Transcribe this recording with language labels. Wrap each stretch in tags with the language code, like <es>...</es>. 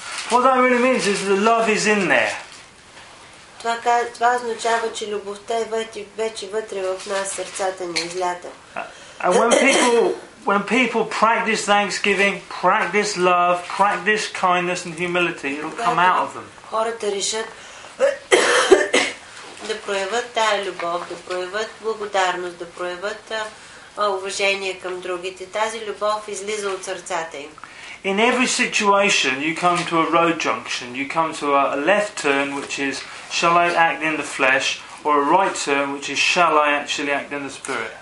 <en>What that really means is the love is in there.</en> <bg>Това означава, че любовта е вече вътре в нас, сърцата ни излята.</bg> <en>And when people practice thanksgiving, practice love, practice kindness and humility, it'll come out of them.</en> <bg>Хората решат да проявят тая любов, да проявят благодарност, да проявят уважение към другите. Тази любов излиза от сърцата им.</bg> <en>In every situation, you come to a road junction. You come to a left turn, which is, shall I act in the flesh? Or a right turn, which is, shall I actually act in the spirit?</en>